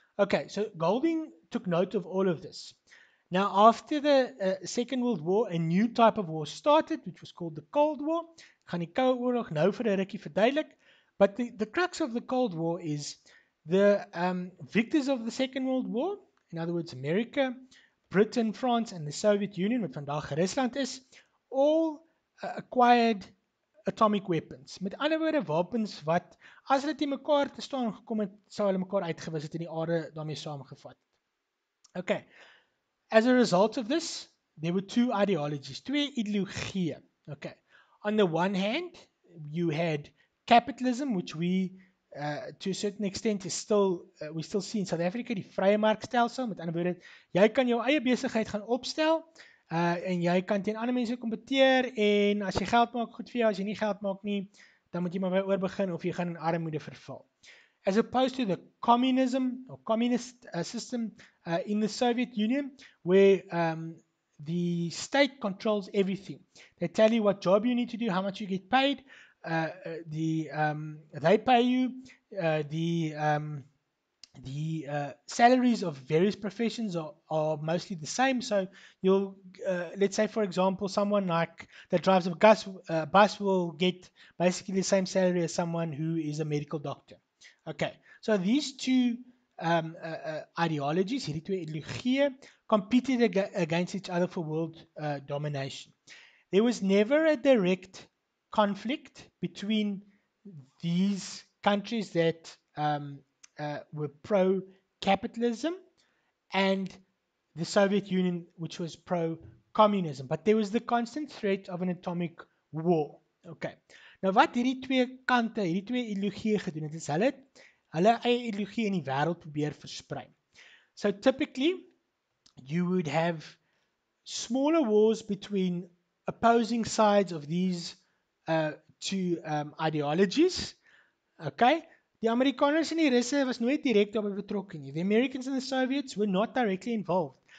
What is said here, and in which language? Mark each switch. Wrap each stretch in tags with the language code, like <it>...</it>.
<en>Okay, so Golding took note of all of this. Now, after the Second World War, a new type of war started, which was called the Cold War.</en> <af>Gaan die Koue Oorlog nou vir 'n rukkie verduidelik.</af> <en>But the crux of the Cold War is the victors of the Second World War, in other words, America, Britain, France, and the Soviet Union,</en> <af>wat vandag Rusland is,</af> <en>all acquired atomic weapons.</en> <af>Met ander woorde, wapens wat, as hulle teen mekaar te staan gekom het, sou hulle mekaar uitgewis het en die aarde daarmee saamgevat. Okay.</af> <en>As a result of this, there were two ideologies,</en> <af>twee ideologieë.</af> <en>Okay. On the one hand, you had capitalism, which we, to a certain extent, is still we still see in South Africa,</en> <af>die vrye markstelsel. Met ander woorde, jy kan jou eie besigheid gaan opstel, en jy kan teen ander mense kompeteer, en as jy geld maak, goed vir jou, as jy nie geld maak nie, dan moet jy maar weer oor begin, of jy gaan in armoede verval.</af> <en>As opposed to the communism or communist system in the Soviet Union, where the state controls everything. They tell you what job you need to do, how much you get paid, they pay you, salaries of various professions are mostly the same. So you'll let's say, for example, someone like that drives a bus will get basically the same salary as someone who is a medical doctor. Okay, so these two ideologies,</en> <af>hierdie twee ideologieë,</af> <en>competed against each other for world domination. There was never a direct conflict between these countries that were pro-capitalism and the Soviet Union, which was pro-communism. But there was the constant threat of an atomic war.</en> <af>Okay, nou wat hierdie twee kante, hierdie twee ideologieë gedoen het, is hulle eie ideologie in die wêreld probeer versprei.</af> <en>So typically, you would have smaller wars between opposing sides of these two ideologies. Okay?</en> <af>Die Amerikaners en die Russe was nooit direk daarbey betrokke nie.</af> <en>The Americans and the Soviets were not directly involved.</en>